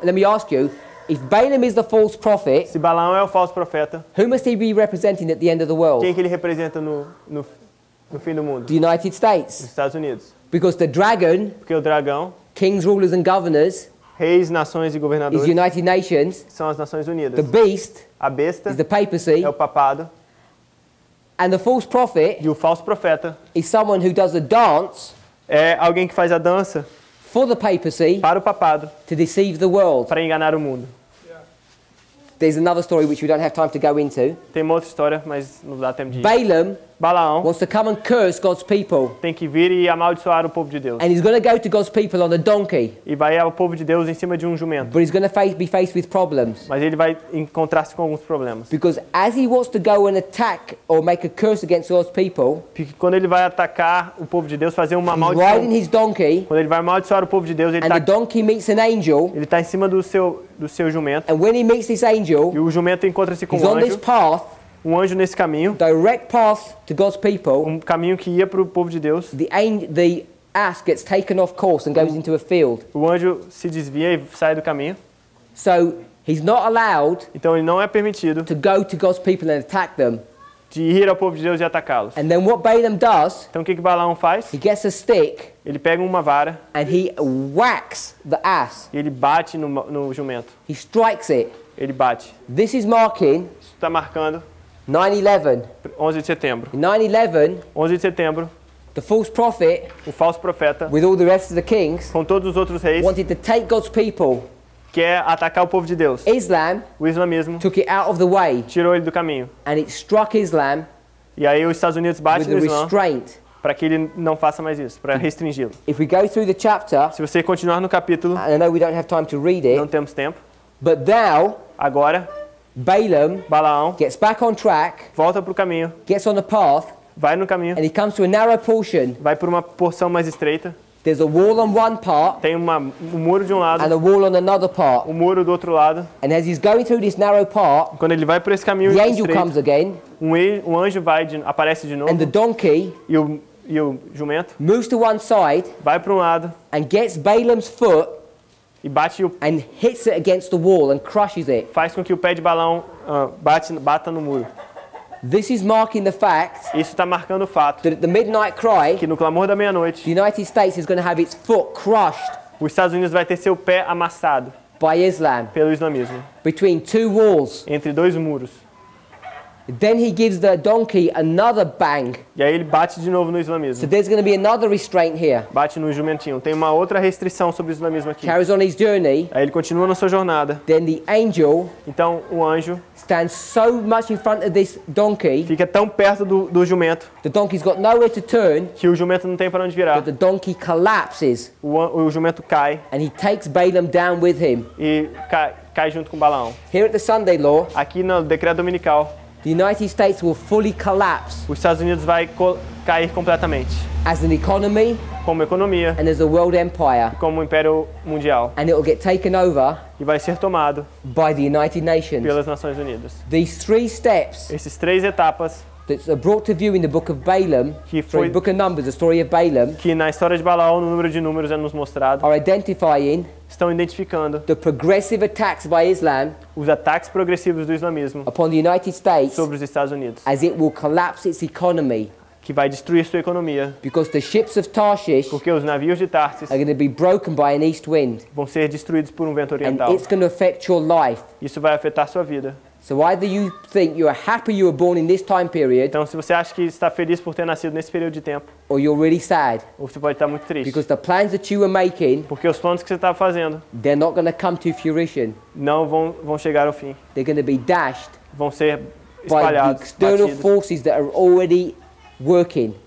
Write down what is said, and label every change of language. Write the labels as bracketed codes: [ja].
[en] Let me ask you, if Balaam is the false prophet, [pt] se Balaão é o falso profeta, [en] who must he be representing at the end of the world? [pt] Quem que ele representa no fim do mundo? [en] The United States. [pt] Os Estados Unidos. [en] Because the dragon, [pt] porque o dragão, [en] kings, rulers and governors, [pt] reis, nações e governadores, [en] is the United Nations. [pt] São as Nações Unidas. [en] The beast, [pt] a besta, [en] is the papacy. [pt] É o papado. [en] And the false prophet, [pt] e o falso profeta, [en] is someone who does a dance, [pt] é alguém que faz a dança, [en] for the papacy, [pt] para o papado, [en] to deceive the world, [pt] para enganar o mundo. [en] Yeah. There's another story which we don't have time to go into. [pt] Tem uma outra história, mas não dá tempo de. [en] Balaam, [pt] Balaão, [en] wants to come and curse God's people. [pt] Tem que vir e amaldiçoar o povo de Deus. [en] And he's going to go to God's people on a donkey. [pt] E vai ao povo de Deus em cima de um jumento. [en] But he's going to be faced with problems. [pt] Mas ele vai encontrar-se com alguns problemas. [en] Because as he wants to go and attack or make a curse against God's people, [pt] porque quando ele vai atacar o povo de Deus, fazer uma maldição, [en] riding his donkey, [pt] quando ele vai amaldiçoar o povo de Deus, ele [en] and [pt] tá, [en] the donkey meets an angel, [pt] ele está em cima do seu jumento. [en] And when he meets this angel, [pt] e o jumento encontra-se com um anjo, [en] he's on this path, [pt] um anjo nesse caminho, [en] direct path to God's people, [pt] um caminho que ia para o povo de Deus, [en] the ass gets taken off course and goes into a field. [pt] O anjo se desvia e sai do caminho. [en] So he's not allowed, [pt] então ele não é permitido, [en] to go to God's people and attack them, [pt] de ir ao povo de Deus e atacá-los. [en] And then what Balaam does, [pt] então o que Balaão faz? [en] He gets a stick, [pt] ele pega uma vara, [en] and he whacks the ass, [pt] e ele bate no jumento. [en] He strikes it, [pt] ele bate. [en] This is marking, [pt] isso está marcando [en] 9/11. [pt] 11 de setembro. [en] 9/11. [pt] 11 de setembro. [en] The false prophet, [pt] o falso profeta, [en] with all the rest of the kings, [pt] com todos os outros reis, [en] wanted to take God's people, [pt] quer atacar o povo de Deus. [en] Islam, [pt] o islamismo, [en] took it out of the way, [pt] tirou ele do caminho. [en] And it struck Islam, [pt] e aí os Estados Unidos bate [en] with [pt] no [en] Islam, restraint, [pt] para que ele não faça mais isso, para restringi-lo. [en] If we go through the chapter, [pt] se você continuar no capítulo, [en] I know we don't have time to read it, [pt] não temos tempo, [en] but now, [pt] agora, [en] Balaam gets back on track, [pt] volta pro caminho, [en] gets on the path, [pt] vai no caminho, [en] and he comes to a narrow portion, [pt] vai por uma porção mais estreita. [en] There's a wall on one part, [pt] tem um muro de um lado, [en] and a wall on another part, [pt] um muro do outro lado. [en] And as he's going through this narrow part, [pt] quando ele vai por esse caminho [en] the [pt] estreito, [en] angel comes again, [pt] um anjo aparece de novo, [en] and the donkey, [pt] e o jumento, [en] moves to one side, [pt] vai para um lado, [en] and gets Balaam's foot, [pt] e bate [en] and hits it against the wall and crushes it. [pt] Faz com que o pé de Balaão bata no muro. [en] This is marking the fact, [pt] isso está marcando o fato, [en] that at the midnight cry, [pt] que no clamor da meia-noite, [en] the United States is going to have its foot crushed, [pt] os Estados Unidos vai ter seu pé amassado, [en] by Islam, [pt] pelo islamismo, [en] between two walls, [pt] entre dois muros. [en] Then he gives the donkey another bang. [pt] E aí ele bate de novo no islamismo. [en] So there's going to be another restraint here. [pt] Bate no jumentinho. Tem uma outra restrição sobre o islamismo aqui. [en] Carries on his journey. [pt] Aí ele continua na sua jornada. [en] Then the angel. [pt] Então o anjo. [en] Stands so much in front of this donkey. [pt] Fica tão perto do jumento. [en] The donkey's got nowhere to turn. [pt] Que o jumento não tem para onde virar. [en] But the donkey collapses. [pt] O jumento cai. [en] And he takes Balaam down with him. [pt] E cai junto com Balaão. [en] Here at the Sunday law. [pt] Aqui no decreto dominical. [en] The United States will fully collapse. [pt] Os Estados Unidos vai cair completamente. [en] As an economy, [pt] como economia, [en] and as a world empire, [pt] como império mundial. [en] And it will get taken over, [pt] e vai ser tomado, [en] by the United Nations, [pt] pelas Nações Unidas. [en] These three steps, [pt] esses três etapas, [en] that's brought to view in the book of Balaam, the book of Numbers, the story of Balaam, [pt] que na história de Balaão, no número de números é nos mostrado, [en] are identifying, [pt] estão identificando, [en] the progressive attacks by Islam, [pt] os ataques progressivos do islamismo, [en] upon the United States, [pt] sobre os Estados Unidos, [en] as it will collapse its economy, [pt] que vai destruir sua economia, [en] because the ships of Tarshish, [pt] porque os navios de Tarsis, [en] are going to be broken by an east wind, [pt] vão ser destruídos por vento oriental, [en] and it's going to affect your life, [pt] isso vai afetar sua vida. [en] So either you think you are happy you were born in this time period, [pt] então se você acha que está feliz por ter nascido nesse período de tempo, [en] or you're really sad, [pt] ou você pode estar muito triste, [en] because the plans that you were making, [pt] porque os planos que você estava fazendo, [en] they're not going to come to fruition, [pt] não vão chegar ao fim, [en] they're going to be dashed, [pt] vão ser espalhados, [en] by the external [pt] batidos, [en] forces that are already working,